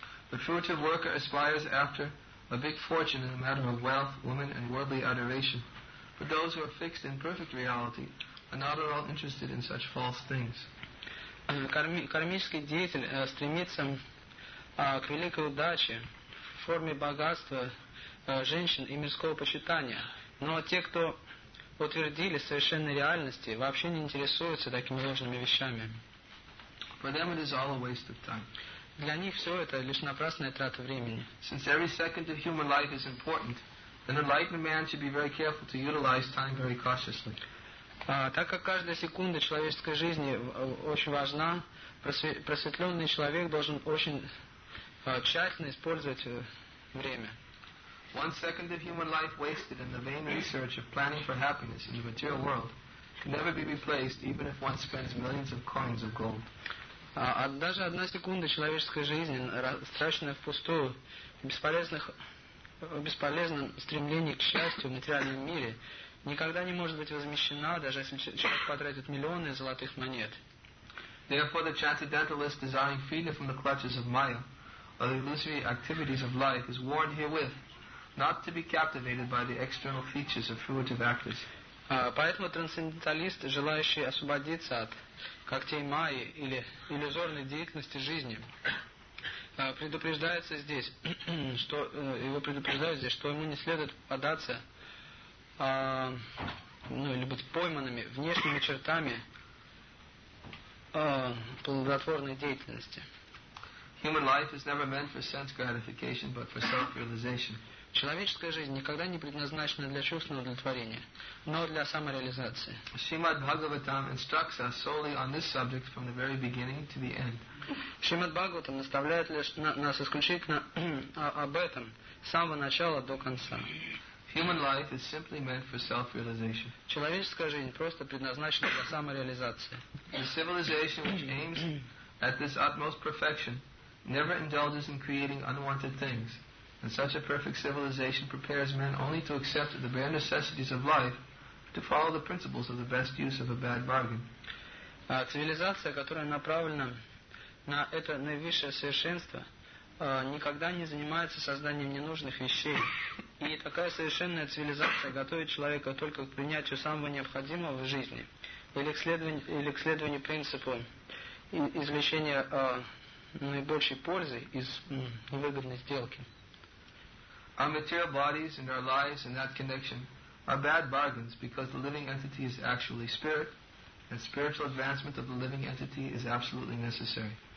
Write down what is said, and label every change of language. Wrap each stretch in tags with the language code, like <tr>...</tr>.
<en>The furtive worker aspires after a big fortune in the matter of wealth, women, and worldly adoration. But those who are fixed in perfect reality are not at all interested in such false things.</en> <ru>Кармический деятель стремится к великой удаче в форме богатства женщин и мирского почитания. Но те, кто утвердили совершенной реальности, вообще не интересуются такими ложными вещами.</ru> <en>For them it is all a waste of time.</en> <ru>Для них все это лишь напрасная трата времени.</ru> <en>Since every second of human life is important, an enlightened man should be very careful to utilize time very cautiously.</en> <ru>Так как каждая секунда человеческой жизни очень важна, просветленный человек должен очень тщательно использовать время.</ru> <en>One second of human life wasted in the vain research of planning for happiness in the material world can never be replaced, even if one spends millions of coins of gold.</en> <ru>Даже одна секунда человеческой жизни, растраченная впустую, в бесполезном стремлении к счастью в материальном мире, никогда не может быть возмещена, даже если человек потратит миллионы золотых монет.</ru> <en>Therefore, the transcendentalist desiring freedom from the clutches of Maya, or the illusory activities of life, is warned herewith not to be captivated by the external features of fruitive actors.</en> <ru>Поэтому трансценденталист, желающий освободиться от когтей Майи или иллюзорной деятельности жизни, предупреждается здесь, что его предупреждают здесь, что ему не следует попадаться, ну, или быть пойманными внешними чертами плодотворной деятельности.</ru> <en>Human life is never meant for sense gratification, but for self-realization.</en> <ru>Человеческая жизнь никогда не предназначена для чувственного удовлетворения, но для самореализации.</ru> <en>Шримад Бхагаватам instructs us solely on this subject from the very beginning to the end.</en> <ru>Шримад Бхагаватам наставляет нас исключительно об этом с самого начала до конца.</ru> <en>Human life is simply meant for self-realization.</en> <ru>Человеческая жизнь просто предназначена для самореализации.</ru> <en>The civilization which aims at this utmost perfection never indulges in creating unwanted things. And such a perfect civilization prepares men only to accept the bare necessities of life, to follow the principles of the best use of a bad bargain.</en> <ru>Цивилизация, которая направлена на это наивысшее совершенство, никогда не занимается созданием ненужных вещей. И такая совершенная цивилизация готовит человека только к принятию самого необходимого в жизни или к следованию принципу извлечения наибольшей пользы из невыгодной сделки.</ru> <en>Our material bodies and our lives in that connection are bad bargains because the living entity is actually spirit, and spiritual advancement of the living entity is absolutely necessary.</en>